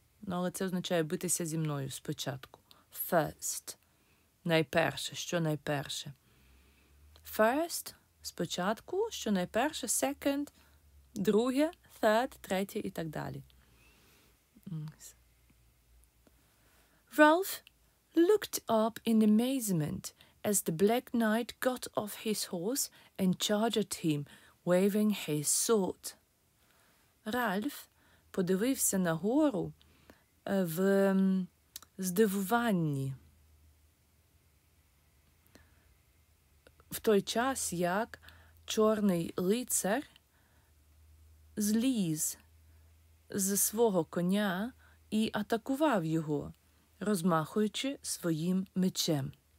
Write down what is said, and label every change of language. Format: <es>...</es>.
<uk>Ну, але це означає «битися зі мною спочатку». «First» – найперше, що найперше.</uk> <en>«First»</en> <uk>– спочатку, що найперше, «second» – друге, third, третє і так далі.</uk> <en>Ralph looked up in amazement as the black knight got off his horse and charged him, waving his sword.</en> <uk>Ральф подивився нагору в здивуванні. В той час, як чорний лицар зліз з свого коня і атакував його, розмахуючи своїм мечем.</uk>